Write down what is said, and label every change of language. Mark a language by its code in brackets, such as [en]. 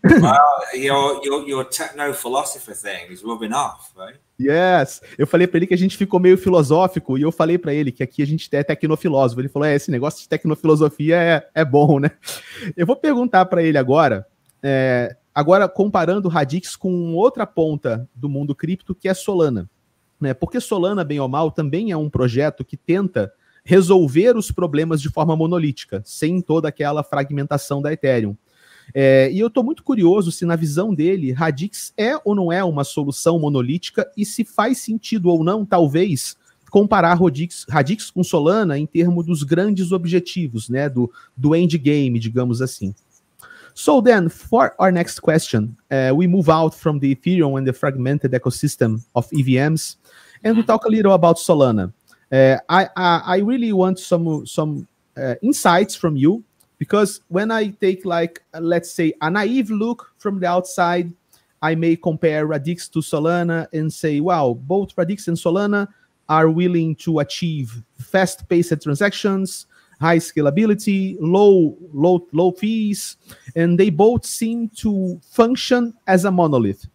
[en] Well, your techno-philosopher thing is rubbing off, right? Yes. [pt] Eu falei para ele que a gente ficou meio filosófico e eu falei para ele que aqui a gente é tecnofilósofo. Ele falou, esse negócio de tecnofilosofia é bom, né? Eu vou perguntar para ele agora, agora comparando Radix com outra ponta do mundo cripto, que é Solana. Né? Porque Solana, bem ou mal, também é um projeto que tenta resolver os problemas de forma monolítica, sem toda aquela fragmentação da Ethereum. E eu estou muito curioso se, na visão dele, Radix é ou não é uma solução monolítica e se faz sentido ou não, talvez, comparar Radix com Solana em termos dos grandes objetivos, né, do endgame, digamos assim. [en] So then, for our next question, we move out from the Ethereum and the fragmented ecosystem of EVMs and we talk a little about Solana. I really want some insights from you, because when I take, like, let's say, a naive look from the outside, I may compare Radix to Solana and say, well, both Radix and Solana are willing to achieve fast-paced transactions, high scalability, low fees, and they both seem to function as a monolith.